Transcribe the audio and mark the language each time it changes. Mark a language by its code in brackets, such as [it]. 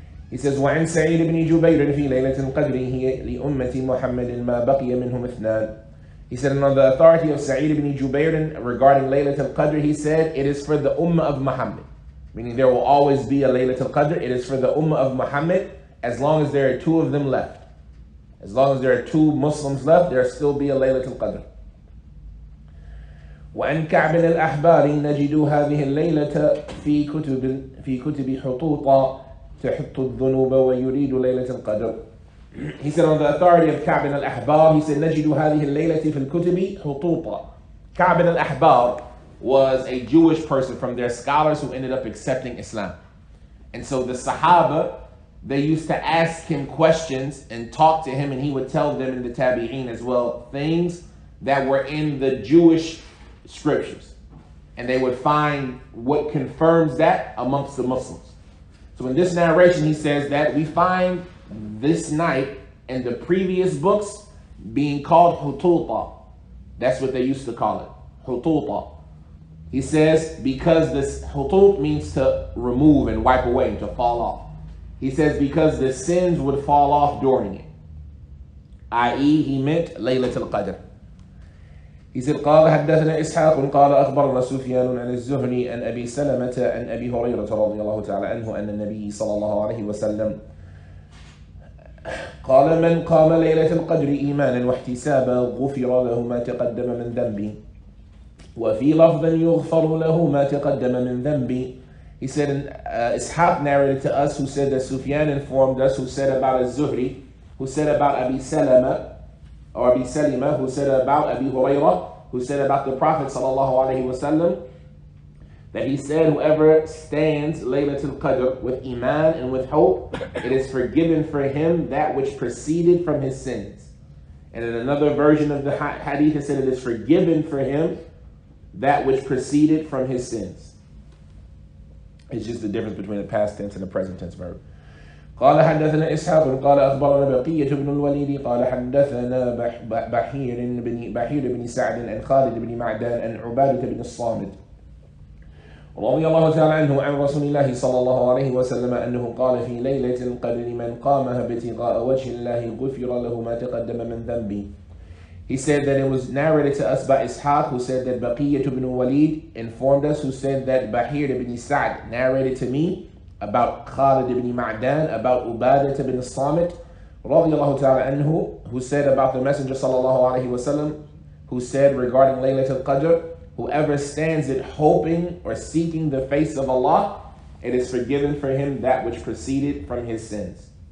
[en] He says, [ar] وَعِنْ سَعِيدِ بْنِ جُبَيْرٍ فِي لَيْلَةٍ قَدْرِهِ لِأُمَّةِ مُحَمَّدٍ مَا بَقِيَ مِنْهُمْ اثْنَانٍ [en] He said, and on the authority of Sa'id ibn Jubayrin regarding Laylatul Qadr, he said, it is for the Ummah of Muhammad. Meaning there will always be a Laylatul Qadr. It is for the Ummah of Muhammad as long as there are two of them left. As long as there are two Muslims left, there will still be a Laylatul Qadr. [ar] وَأَنْ كَعْبٍ الْأَحْبَارِ نَجِدُوا هَذِهِ اللَّيْلَةَ فِي كُتُبِ حُطُوطَ تَحُطُّ الذُّنُوبَ وَيُرِيدُ لَيْلَةَ الْقَدْرِ [en] He said on the authority of Ka'b al-Ahbar, he said, [ar] نَجِدُوا هَذِهِ اللَّيْلَةِ فِي الْكُتُبِ حُطُوطَ [en] Ka'b ibn al-Ahbar was a Jewish person from their scholars who ended up accepting Islam. And so the Sahaba, they used to ask him questions and talk to him, and he would tell them in the Tabi'een as well things that were in the Jewish scriptures. And they would find what confirms that amongst the Muslims. So in this narration, he says that we find this night and the previous books being called Hututa. That's what they used to call it, Hututa. He says, because this Hutut means to remove and wipe away and to fall off. He says, because the sins would fall off during it. I.e., he meant Laylatul Qadr. He said, [ar] قال حدثنا إسحاق قال أخبرنا سفيان عن الزهري عن أبي سلمة عن أبي هريرة رضي الله تعالى عنه أن النبي صلى الله عليه وسلم قال من قام ليلة القدر إيمانا واحتسابا غفر له ما تقدم من ذنبي وفي لفظ يغفر له ما تقدم من ذنبي. [en] He said, Ishaq narrated to us, who said that Sufyan informed us, who said about Az-Zuhri, who said about Abi Salama, or Abi Salima, who said about Abi Hurairah, who said about the Prophet sallallahu alayhi wa sallam, that he said, whoever stands Laylatul Qadr with Iman and with hope, it is forgiven for him that which proceeded from his sins. And in another version of the hadith, it said it is forgiven for him that which proceeded from his sins. It's just the difference between the past tense and the present tense verb. [ar] قال حدثنا إسحاق قال أخبرنا بقية بن الوليد قال حدثنا بحير بن سعد عن خالد بن معدان عن عبادة بن الصامت رضي الله تعالى عنه عن رسول الله صلى الله عليه وسلم أنه قال في ليلة القدر من قامها ابتغاء وجه الله غفر له ما تقدم من ذنبه. [en] He said that it was narrated to us by Ishaq, who said that Baqiyyah ibn Walid informed us, who said that Bahir ibn Sa'd narrated to me about Khalid ibn Ma'dan, about Ubadah ibn Samit, radiyallahu ta'ala anhu, who said about the Messenger sallallahu alayhi wa sallam, who said regarding Laylatul Qadr, whoever stands it hoping or seeking the face of Allah, it is forgiven for him that which proceeded from his sins.